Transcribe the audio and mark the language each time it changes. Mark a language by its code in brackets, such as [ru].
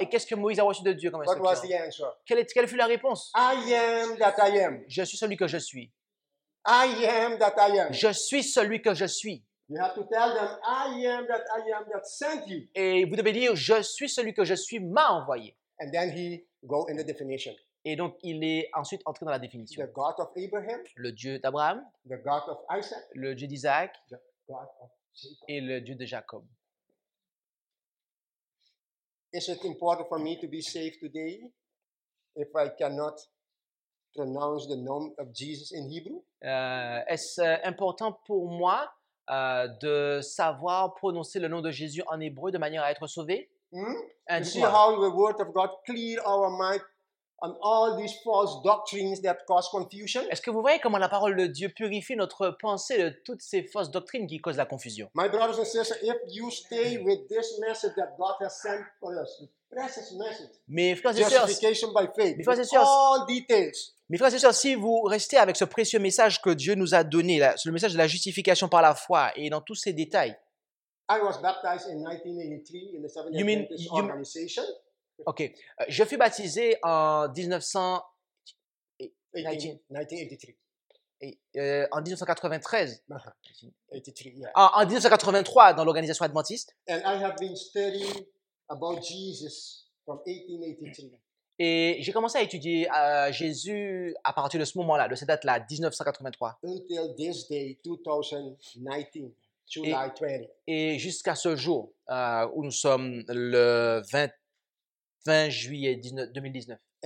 [fr] Et qu'est-ce que Moïse a reçu de Dieu comme instruction? [en] What was the answer? [fr] Quelle fut la réponse? [en] I am that I am. [fr] Je suis celui que je suis. [en] I am that I am. [fr] Je suis celui que je suis. [en] You have to tell them I am that I am that sent you. [fr] Et vous devez dire je suis celui que je suis m'a envoyé. [en] And then he go in the definition. [fr] Et donc il est ensuite entré dans la définition. [en] The God of Abraham. [fr] Le Dieu d'Abraham. [en] The God of Isaac. [fr] Le Dieu d'Isaac. [en] The God of [fr] et le Dieu de Jacob. [en] Is it important for me to be safe today if I cannot pronounce the name of Jesus in Hebrew? [fr] Est-ce important pour moi de savoir prononcer le nom de Jésus en hébreu de manière à être sauvé? [en] See how the word of God clear our mind on all these false doctrines that cause confusion. [fr] Est-ce que vous voyez comment la parole de Dieu purifie notre pensée de toutes ces fausses doctrines qui causent la confusion? [en] My brothers and sisters, if you stay with this message that God has sent for us, precious message. [fr] Mes frères et sœurs, [en] justification by faith. [fr] Mes frères et sœurs, [en] all details. [fr] Mes frères et sœurs, si vous restez avec ce précieux message que Dieu nous a donné, le message de la justification par la foi et dans tous ses détails. [en] I was baptized in 1983 in the Seventh-day Adventist organization. [fr] Ok, je fus baptisé en 1983 dans l'organisation adventiste. [en] And I have been studying about Jesus from 1883. [fr] Et j'ai commencé à étudier Jésus à partir de ce moment-là, de cette date-là, 1983. [en] Until this day, 2019, July 20. [fr] Et jusqu'à ce jour où nous sommes le 20 juillet 2019.